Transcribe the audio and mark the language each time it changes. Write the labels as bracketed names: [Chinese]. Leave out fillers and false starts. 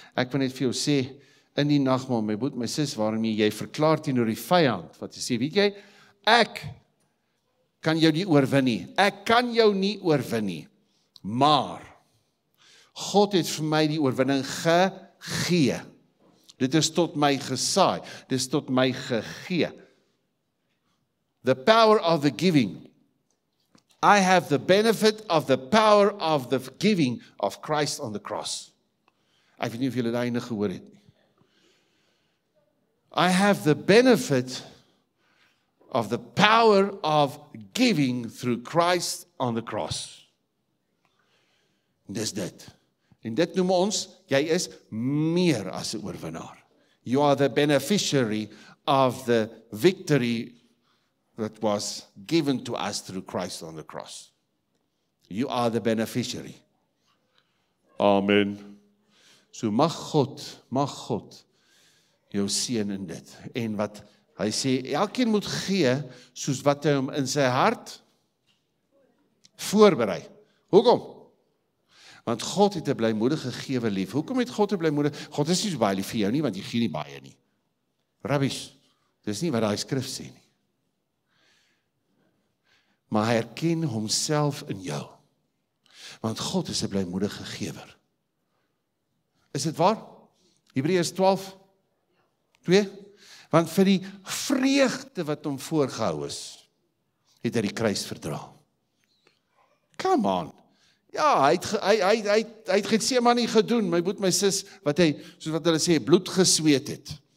[Afrikaans] Ek wil net vir jou sê, in die nagmaal, my broer, my sis, waarom jy verklaar teenoor die vyand, wat jy sê, weet jy, ek kan jou nie oorwin nie, ek kan jou nie oorwin nie, maar God het vir my die oorwinning gegee. Dit is tot my gesaai, dit is tot my gegee. [English] The power of the giving. I have the benefit of the power of the giving of Christ on the cross. [Afrikaans] Ek weet nie of julle daai nog gehoor het nie. [English] I have the benefit of the power of giving through Christ on the cross. [Afrikaans] Dis dit. En dit noem ons, jy is meer as 'n oorwinnaar. [English] You are the beneficiary of the victory that was given to us through Christ on the cross. You are the beneficiary. [Afrikaans] Amen. So mag God jou seën in dit. En wat hy sê, elkeen moet gee soos wat hy hom in sy hart voorberei. Hoekom? Want God het 'n blymoedige gewe lief. Hoekom het God 'n blymoedige? God is nie so baie lief vir jou nie, want jy gee nie baie nie. Rabbies, dis nie wat daai skrif sê nie. Maar hy herken homself in jou. Want God is een blijmoedige gever. Is het waar? Hebreërs 12, 2. Want vir die vreugde wat hom voorgehou is, het hy die kruis verdra. [English] Come on. [Afrikaans] Ja, hy het Getsemane gedoen, my boet, my sis, wat hy, soos wat hulle sê, bloed gesweet het.